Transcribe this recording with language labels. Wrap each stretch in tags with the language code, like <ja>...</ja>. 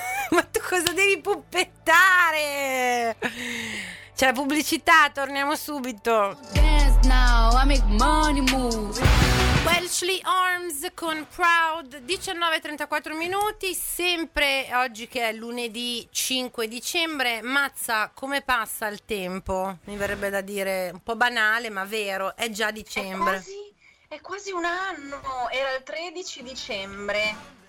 <it>Ma tu cosa devi puppettare? C'è la pubblicità, torniamo subito.</it> <en>Dance now, I make money move.</en> <it>Welshly Arms con Proud, 19:34 minuti, sempre oggi che è lunedì 5 dicembre. Mazza, come passa il tempo? Mi verrebbe da dire un po' banale, ma vero, è già dicembre. È quasi un anno, era il 13 dicembre.</it>